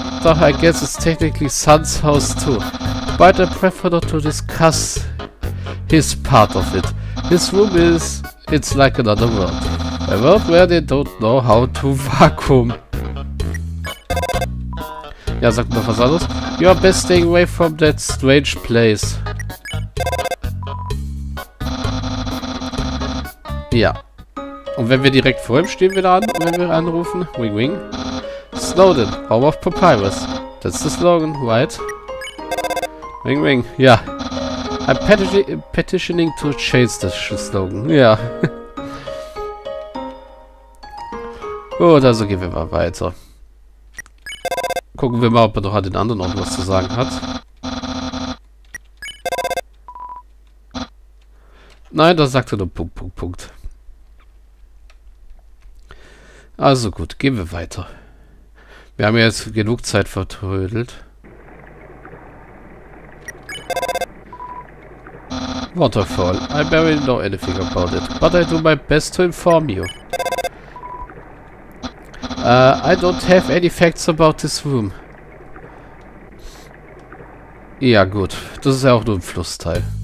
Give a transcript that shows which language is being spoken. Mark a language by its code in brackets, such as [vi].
[en] Though I guess it's technically Sun's house too. But I prefer not to discuss his part of it. His room is... it's like another world. A world where they don't know how to vacuum. [de] Ja, sag mal was anderes. [en] You are best staying away from that strange place. [de] Ja. Und wenn wir direkt vor ihm stehen, wieder an, wenn wir anrufen. [en] Wing wing. Snowdon, home of Papyrus. That's the slogan, right? Wing wing, ja. I'm petitioning to change the slogan, ja. [de] Gut, also gehen wir mal weiter. Gucken wir mal, ob er noch an den anderen noch was zu sagen hat. Nein, da sagt er nur Punkt, Punkt, Punkt. Also gut, gehen wir weiter. Wir haben ja jetzt genug Zeit vertrödelt. [en] Waterfall. I barely know anything about it. But I do my best to inform you. I don't have any facts about this room. [de] Ja gut, das ist ja auch nur ein Flussteil.